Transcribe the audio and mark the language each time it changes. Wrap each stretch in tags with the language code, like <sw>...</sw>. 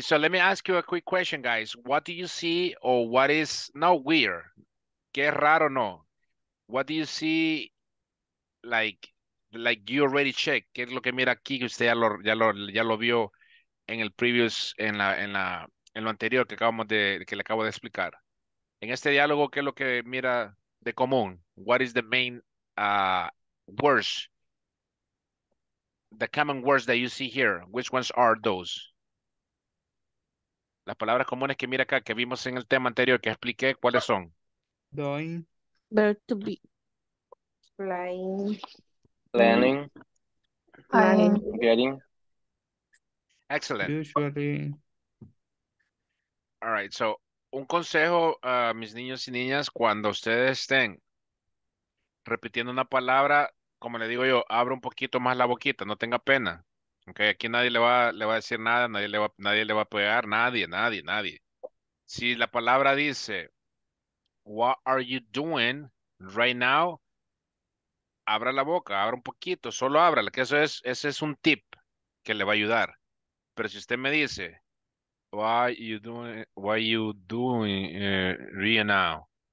<en>So let me ask you a quick question, guys. What do you see, or what is not weird?</en> <es>Qué raro, no.</es> <en>What do you see, like you already checked?</en> <es>Qué es lo que mira aquí que usted ya lo vio. En el previous, en lo anterior que le acabo de explicar. En este diálogo, ¿qué es lo que mira de común?</es> <en>What is the main words? The common words that you see here. Which ones are those?</en> <es>Las palabras comunes que mira acá, que vimos en el tema anterior, que expliqué, ¿cuáles son?</es> <en>Doing. There to be. Playing. Planning. Planning. Getting. Excellent. Usually. All right. So,</en> <es>un consejo a mis niños y niñas, cuando ustedes estén repitiendo una palabra, como le digo yo, abra un poquito más la boquita, no tenga pena. Okay, aquí nadie le va a decir nada, nadie le va a pegar, nadie. Si la palabra dice,</es> <en>"What are you doing right now?"</en> <es>Abra la boca, abra un poquito, solo ábrala, que ese es un tip que le va a ayudar. Pero si usted me dice,</es> <en>what are you doing right now?</en>